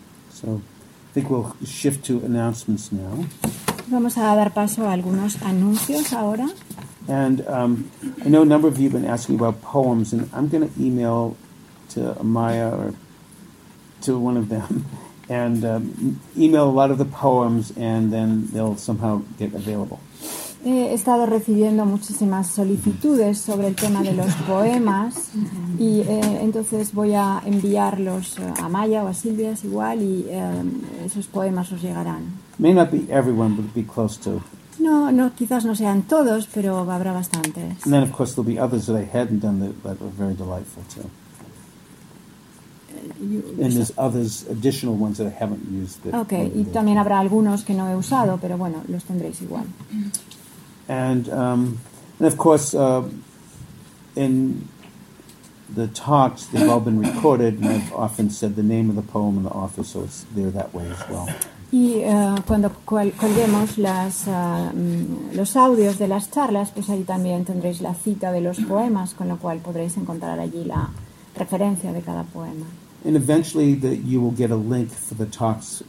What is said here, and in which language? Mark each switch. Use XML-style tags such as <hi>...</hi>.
<en>So, I think we'll shift to announcements now.</en> <es>Vamos a dar paso a algunos anuncios ahora.</es> <en>And I know a number of you have been asking about poems, and I'm going to email to Amaya or to one of them, and email a lot of the poems, and then they'll somehow get available.</en> <es>He estado recibiendo muchísimas solicitudes sobre el tema de los poemas, y entonces voy a enviarlos a Maya o a Silvia, es igual, y esos poemas os llegarán.</es> <en>May not be everyone, but be close to.</en> <es>No, quizás no sean todos, pero habrá bastantes.</es> <en>And then, of course, there'll be others that I hadn't done that were very delightful too. And there's others, additional ones that I haven't used.</en> <es>Okay, y también habrá algunos que no he usado, pero bueno, los tendréis igual.</es> <en>And of course, in the talks, they've all been recorded, and I've often said the name of the poem and the author, so it's there that way as well.</en> <es>Y cuando colguemos los audios de las charlas, pues ahí también tendréis la cita de los poemas, con lo cual podréis encontrar allí la referencia de cada poema.</es> <en>And eventually you will get a link for the talks.</en>